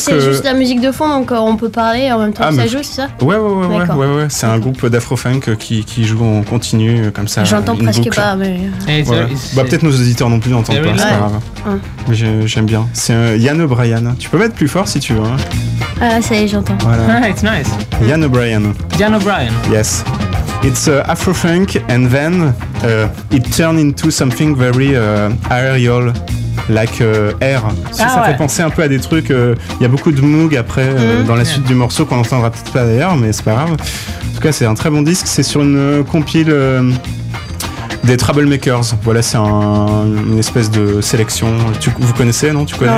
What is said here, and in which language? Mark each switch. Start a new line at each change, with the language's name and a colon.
French: c'est juste la musique de fond, donc on peut parler en même temps que ça joue, c'est ça? Ouais. C'est un groupe d'afro-funk qui joue en continu comme ça. J'entends presque boucle. Pas, mais. Voilà. Bah, peut-être nos auditeurs non plus n'entendent pas, c'est pas grave. Mais j'aime bien. C'est Ian O'Brien. Tu peux mettre plus fort si tu veux. Ah, ça y est, j'entends. Voilà.
English: It's nice. Ian O'Brien. Ian O'Brien. Yes. It's afro-funk, and then it turned into something very aerial. Like air,
French: ça fait penser un peu à des trucs. Il y a beaucoup de Moog après dans la suite du morceau qu'on entendra peut-être pas d'ailleurs, mais c'est pas grave. En tout cas, c'est un très bon disque. C'est sur une compile des Troublemakers. Voilà, c'est une espèce de sélection. Vous connaissez, non? Tu connais?